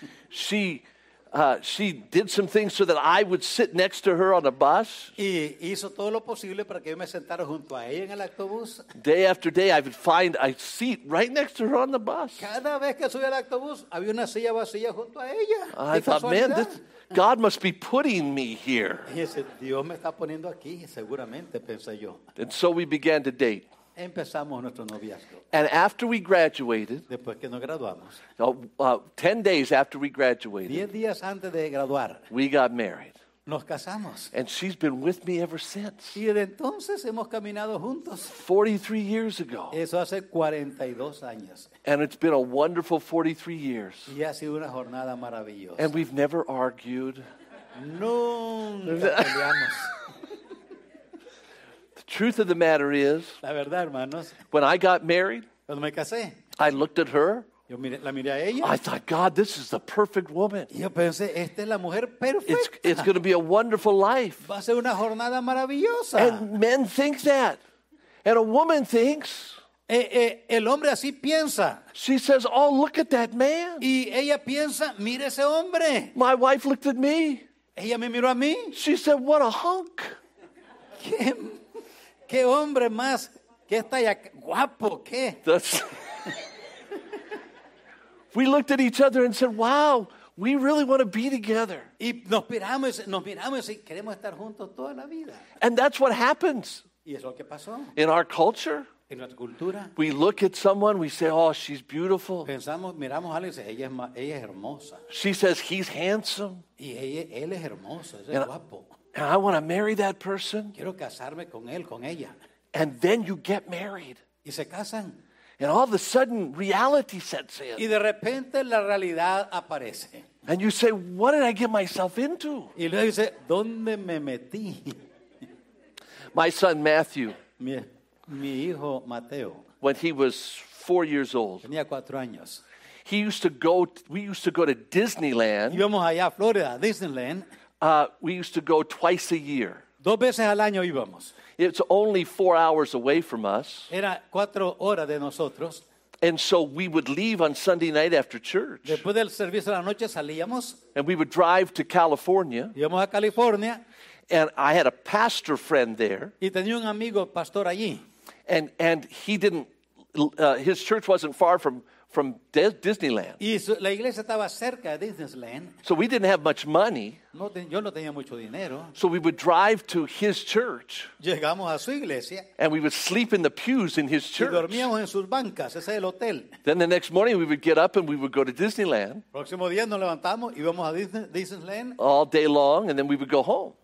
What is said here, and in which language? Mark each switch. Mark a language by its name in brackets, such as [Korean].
[English] She did some things so that I would sit next to her on a bus. [Spanish] Y hizo todo lo posible para que yo me sentara junto a ella en el autobús. [English] Day after day, I would find a seat right next to her on the bus. [Spanish] Cada vez que subía al autobús, había una silla vacía junto a ella. [English] I thought, man, this, God must be putting me here. [Spanish] Y ese Dios me está poniendo aquí, seguramente, pensé yo. [English] And so we began to date. [Spanish] Empezamos nuestro noviazgo. [English] And after we graduated, [Spanish] después que nos graduamos, [English] 10 days after we graduated, [Spanish] 10 días antes de graduar, [English] we got married. [Spanish] Nos casamos. [English] And she's been with me ever since. [Spanish] Y desde entonces hemos caminado juntos. [English] 43 years ago. [Spanish] Eso hace 42 años. [English] And it's been a wonderful 43 years. [Spanish] Y ha sido una jornada maravillosa. [English] And we've never argued. [Spanish] Nunca peleamos. [English] Truth of the matter is, [Spanish] la verdad, hermanos, [English] when I got married, [Spanish] cuando me casé, [English] I looked at her. [Spanish] Yo miré, la miré a ella. [English] I thought, God, this is the perfect woman. [Spanish] Yo pensé, esta es la mujer perfecta. [English] It's going to be a wonderful life. [Spanish] Va a ser una jornada maravillosa. [English] And men think that. And a woman thinks. [Spanish] El hombre así piensa. [English] She says, oh, look at that man. [Spanish] Y ella piensa, mire ese hombre. [English] My wife looked at me. [Spanish] Ella me miró a mí. [English] She said, what a hunk. [Spanish] ¿Qué hombre más? ¿Qué está ya guapo? ¿Qué? [English] We looked at each other and said, wow, we really want to be together. [Spanish] Y nos miramos y queremos estar juntos toda la vida. [English] And that's what happens. [Spanish] ¿Y es lo que pasó? [English] In our culture. [Spanish] En nuestra cultura. [English] We look at someone, we say, oh, she's beautiful. [Spanish] Pensamos, miramos a alguien y decimos, ella es hermosa. [English] She says, he's handsome. [Spanish] Y él es hermoso, es guapo. [English] And I want to marry that person. [Spanish] Quiero casarme con él, con ella. [English] And then you get married. [Spanish] Y se casan. [English] And all of a sudden, reality sets in. [Spanish] Y de repente, la realidad aparece. [English] And you say, what did I get myself into? [Spanish] Y luego dice, ¿dónde me metí? [English] My son Matthew. [Spanish] Mi hijo Mateo. [English] When he was 4 years old. [Spanish] Tenía 4 años. [English] We used to go to Disneyland. [Spanish] Íbamos allá a Florida, Disneyland. [English] We used to go twice a year. [Spanish] Dos veces al año íbamos. [English] It's only 4 hours away from us. [Spanish] Era 4 horas de nosotros. [English] And so we would leave on Sunday night after church. [Spanish] Después del servicio de la noche salíamos. [English] And we would drive to California. [Spanish] Íbamos a California. [English] And I had a pastor friend there. [Spanish] Y tenía un amigo pastor allí. [English] And he didn't, his church wasn't far from from Disneyland. [Spanish] Y la iglesia estaba cerca de Disneyland. [English] So we didn't have much money. [Spanish] Yo no tenía mucho dinero. [English] So we would drive to his church. [Spanish] Llegamos a su iglesia. [English] And we would sleep in the pews in his church. [Spanish] Y dormíamos en sus bancas, ese es el hotel. [English] Then the next morning we would get up and we would go to Disneyland. [Spanish] Próximo día nos levantamos y íbamos a Disneyland. [English] All day long, and then we would go home.